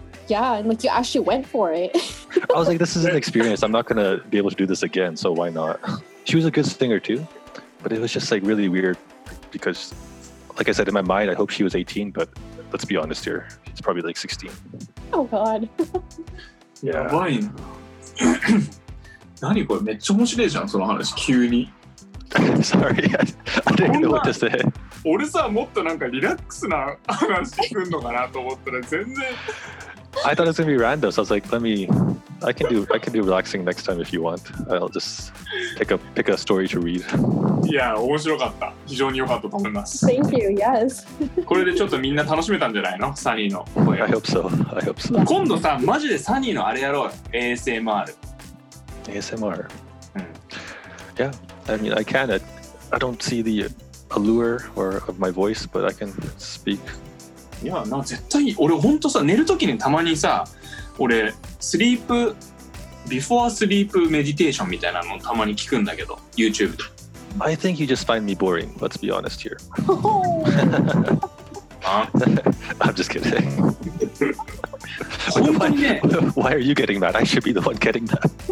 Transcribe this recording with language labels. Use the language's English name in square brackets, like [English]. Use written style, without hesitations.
[English] Yeah, and like you actually went for it. I was like, this is an experience. I'm not gonna be able to do this again, so why not? She was a good singer too. But it was just like really weird because, like I said, in my mind, I hope she was 18, but let's be honest here, she's probably like 16. Oh God. [Japanese] Yeah. やばいな。何これ、めっちゃ面白いじゃん、その話、急に。 [English] Sorry, I didn't know what to say. [Japanese] 俺さ、もっとなんかリラックスな話するのかなと思ったら全然。 [English] I thought it was going to be random, so I was like, I can do relaxing next time if you want. I'll just pick a story to read. [Japanese] Yeah, 面白かった。非常に良かったと思います。 [English] Thank you, yes. [Japanese] これでちょっとみんな楽しめたんじゃないの？サニーの声。 [English] I hope so. [Japanese] 今度さ、マジでサニーのあれやろう。 ASMR。 [English] ASMR? Yeah, I mean, I can. I don't see the allure or of my voice, but I can speak. [Japanese] いやな、絶対俺ほんとさ、寝るときにたまにさ、俺スリープビフォースリープメディテーションみたいなのたまに聞くんだけど、 YouTube で。 [English] I think you just find me boring, let's be honest here. I'm just kidding. [Japanese] 本当にね、 [English] Why are you getting mad? I should be the one getting mad.